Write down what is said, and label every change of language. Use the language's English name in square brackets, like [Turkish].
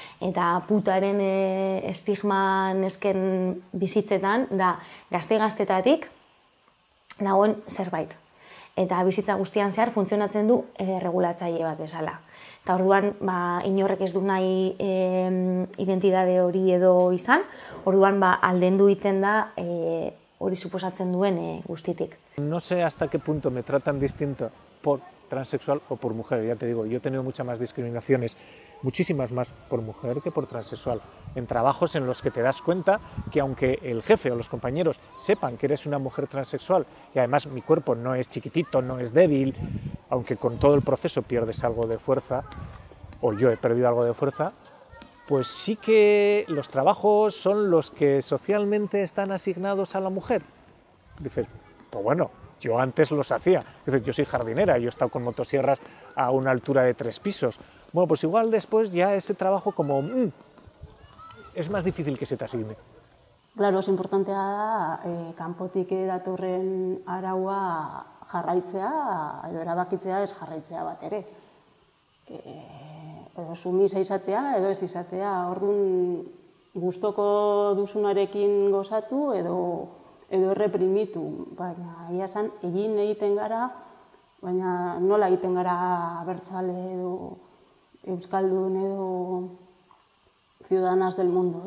[Basque] Eta putaren estigma nesken bizitzetan, da, gazte-gaztetatik, dagoen zerbait. Eta bizitza guztian zehar funtzionatzen du regulatzaile bat bezala. Eta orduan, ba, inorrek ez du nahi identitate hori edo izan, orduan ba, aldendu egiten da hori suposatzen duen guztitik. [Spanish] No sé hasta qué punto me tratan distinto por transexual o por mujer. Ya te digo, yo he tenido muchas más discriminaciones, muchísimas más por mujer que por transexual. En trabajos en los que te das cuenta que aunque el jefe o los compañeros sepan que eres una mujer transexual y además mi cuerpo no es chiquitito, no es débil, aunque con todo el proceso pierdes algo de fuerza, o yo he perdido algo de fuerza, pues sí que los trabajos son los que socialmente están asignados a la mujer. Dices, pues bueno, yo antes los hacía. Dices, yo soy jardinera, yo he estado con motosierras a una altura de 3 pisos. Bueno, pues igual después ya ese trabajo como... es más difícil que se te asigne. Claro, es importante [Basque] da, kanpotik datorren araua jarraitzea, edo erabakitzea ez jarraitzea bat ere. Edo sumisa izatea, edo ez izatea, orduan gustoko duzunarekin gozatu, edo reprimitu, baina ia san, egin egiten gara, baina nola egiten gara bertsale edo euskaldun edo [Spanish] ciudadanas del mundo.